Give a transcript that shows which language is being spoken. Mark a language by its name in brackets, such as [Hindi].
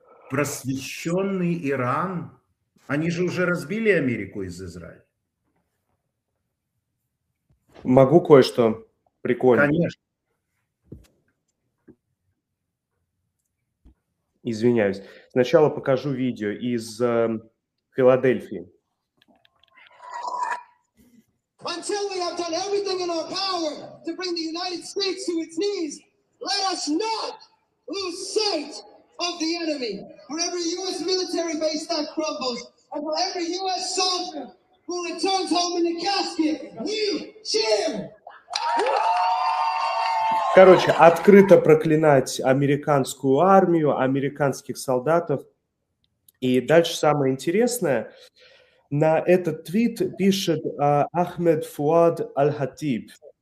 [Russian] Просвещенный Иран? Они же уже разбили Америку из Израиля. Могу кое-что прикольное. Конечно. Извиняюсь. Сначала покажу видео из Филадельфии. [English] Until we have done everything in our power to bring the United States to its knees, let us not lose sight of the enemy. For every U.S. military base that crumbles, and for every U.S. soldier who returns home in the casket, we cheer! [Russian] Короче, открыто проклинать американскую армию, американских солдатов. И дальше самое интересное. На этот твит пишет Ахмед Фуад Аль-Хатиб.